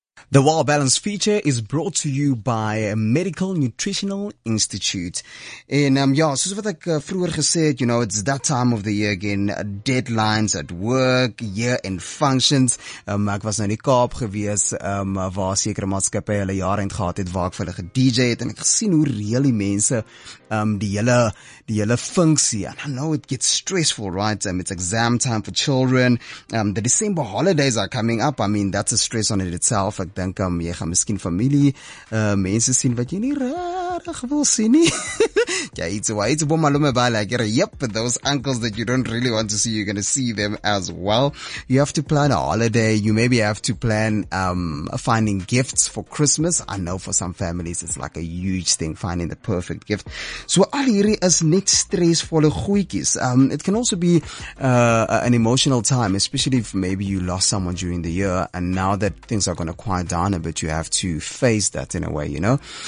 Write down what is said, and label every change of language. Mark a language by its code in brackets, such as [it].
[en] The Wild Balance feature is brought to you by Medical Nutritional Institute. And yeah, [af] soos wat ek vroeger gesê het, [en] you know, it's that time of the year again. Deadlines at work, year-end functions. [af] Ek was nou in die Kaap gewees, waar sekere maatskappye hulle jaar-end gehad het, waar ek vir hulle ge-DJ het, en ek gesien hoe reëel die mense die hele funksie. [en] And I know it gets stressful, right? It's exam time for children. The December holidays are coming up. I mean, that's a stress on it itself. [af] Ek dink jy gaan miskien familie mense sien wat jy nie regtig wil sien nie. [en] Ja, it's [st] bo malume bala, gere. [en] Yep, those uncles that you don't really want to see, you're going to see them as well. You have to plan a holiday. You maybe have to plan finding gifts for Christmas. I know for some families it's like a huge thing finding the perfect gift. [af] So al hierdie is net stressvolle goedjies. [en] It can also be an emotional time, especially if maybe you lost someone during the year, and now that things are going to quiet down a bit, you have to face that in a way, you know.